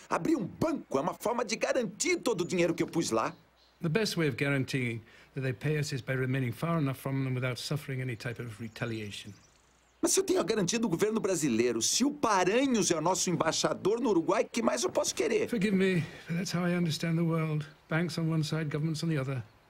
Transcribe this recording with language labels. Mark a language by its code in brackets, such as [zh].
[pt] Abrir um banco é uma forma de garantir todo o dinheiro que eu pus lá. [en] The best way of guaranteeing that they pay us is by remaining far enough from them without suffering any type of retaliation. [pt] Mas se eu tenho a garantia do governo brasileiro, se o Paranhos é o nosso embaixador no Uruguai, que mais eu posso querer? [en] Forgive me, but that's how I understand the world. Banks on one side, governments on the other.